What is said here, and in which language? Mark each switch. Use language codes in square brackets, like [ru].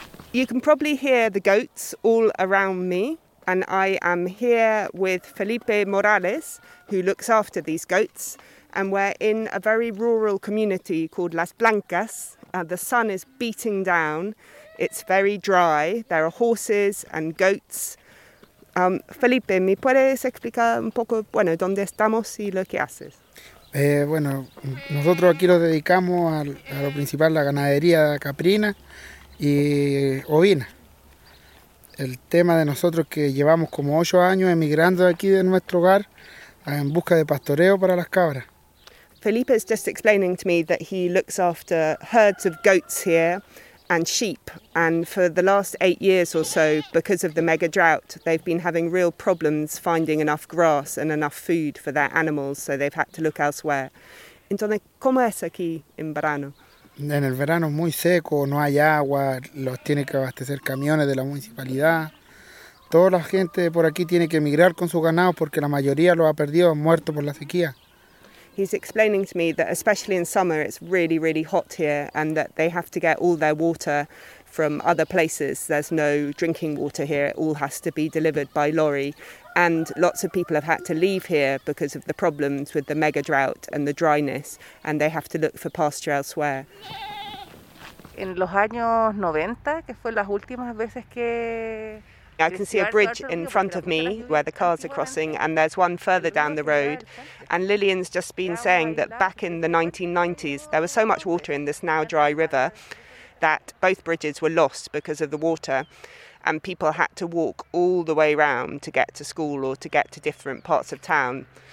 [en] You can probably hear the goats all around me, and I am here with Felipe Morales, who looks after these goats. And we're in a very rural community called Las Blancas. The sun is beating down. It's very dry. There are horses and goats. [es] Felipe, ¿me puedes explicar un poco, bueno, dónde estamos y lo que haces? Bueno, nosotros aquí nos dedicamos a lo principal, la ganadería caprina y ovina. El tema de nosotros es que llevamos como 8 años emigrando aquí de nuestro hogar en busca de pastoreo para las cabras. [en] Felipe is just explaining to me that he looks after herds of goats here and sheep, and for the last 8 years or so, because of the mega drought, they've been having real problems finding enough grass and enough food for their animals, so they've had to look elsewhere. [es] Entonces, ¿cómo es aquí en verano? En el verano es muy seco, no hay agua, los tiene que abastecer camiones de la municipalidad. Toda la gente por aquí tiene que emigrar con su ganado porque la mayoría lo ha perdido, ha muerto por la sequía. [en] He's explaining to me that especially in summer it's really, really hot here and that they have to get all their water from other places. There's no drinking water here. It all has to be delivered by lorry. And lots of people have had to leave here because of the problems with the mega drought and the dryness, and they have to look for pasture elsewhere. [es] En los años 90, que fue las últimas veces que... [en] I can see a bridge in front of me where the cars are crossing, and there's one further down the road. And Lillian's just been saying that back in the 1990s, there was so much water in this now dry river that both bridges were lost because of the water, and people had to walk all the way around to get to school or to get to different parts of town.